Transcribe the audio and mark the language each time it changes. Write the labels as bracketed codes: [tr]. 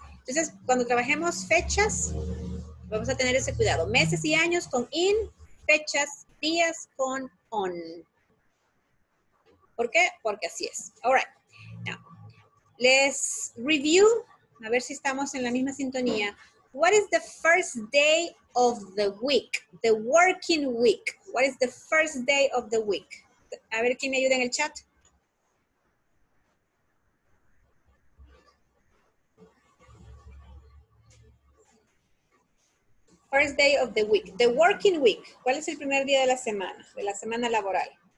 [es] Entonces, cuando trabajemos fechas, vamos a tener ese cuidado. Meses y años con in, fechas, días con on. ¿Por qué? Porque así es. [en] All right. Now, let's review, [es] a ver si estamos en la misma sintonía. [en] What is the first day of the week? The working week. What is the first day of the week? [es] A ver, ¿quién me ayuda en el chat? [en] First day of the week. The working week. [es] ¿Cuál es el primer día de la semana? De la semana laboral.